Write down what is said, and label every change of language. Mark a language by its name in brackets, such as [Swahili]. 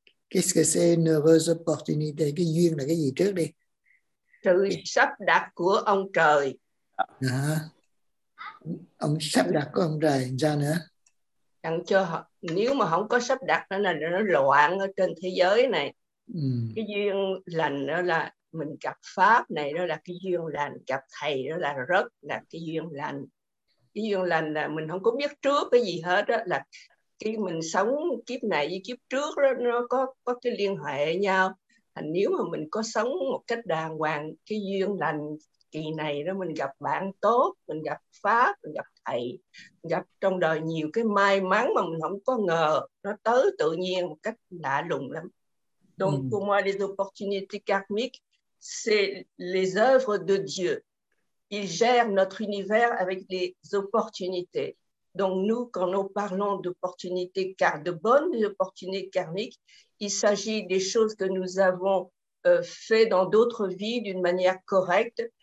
[French] Qu'est-ce que c'est une heureuse opportunité? [Vietnamese] Cái duyên là cái gì trước đi? Sự sắp đặt của ông trời. À, ông sắp đặt của ông trời, sao nữa? Chẳng cho, nếu mà không có sắp đặt nữa là nó loạn ở trên thế giới này. Cái duyên lành đó là mình gặp Pháp này, đó là cái duyên lành. Gặp Thầy đó là rất là cái duyên lành. Cái duyên lành là mình không có biết trước cái gì hết đó là... Khi mình sống kiếp này với kiếp trước đó, nó có cái liên hệ nhau. Thành nếu mà mình có sống một cách đàng hoàng, cái duyên lành kỳ này đó, mình gặp bạn tốt, mình gặp Pháp, mình gặp Thầy, mình gặp trong đời nhiều cái may mắn mà mình không có ngờ, nó tới tự nhiên một cách lạ lùng lắm. [French] Donc, pour moi, les opportunités karmiques, c'est les œuvres de Dieu. Il gère notre univers avec les opportunités. Donc nous, quand nous parlons d'opportunités, car de bonnes opportunités karmiques, il s'agit des choses que nous avons faites dans d'autres vies d'une manière correcte.